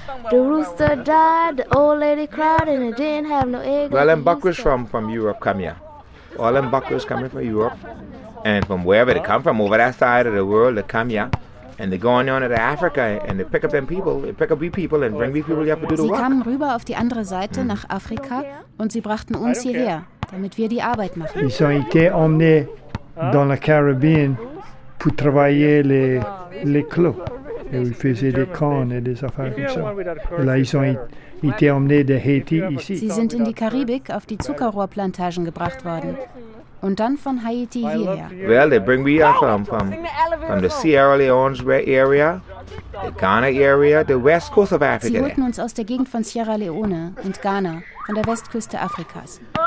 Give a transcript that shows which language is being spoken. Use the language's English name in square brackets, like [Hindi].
[English] The rooster died, the old lady cried and it didn't have no egg. Well, them buckers from Europe come here. All them buckers coming from Europe. And from wherever they come from, over that side of the world, they come here. And they go on down to Africa and they pick up them people. They pick up we people and bring we people here to do the work. [German] Sie kamen rüber auf die andere Seite nach Afrika und sie brachten uns hierher, damit wir die Arbeit machen. [French] Ils ont été emmenés dans la Caribbean pour travailler les clous. Et ils faisaient des cannes et des affaires comme ça. Et là, ils ont été emmenés de Haiti ici. [German] Sie sind in die Karibik auf die Zuckerrohrplantagen gebracht worden. Und dann von Haiti hierher. [English] Well, they bring me up from the Sierra Leone area, the Ghana area, the west coast of Africa. [German] Sie holten uns aus der Gegend von Sierra Leone und Ghana, von der Westküste Afrikas.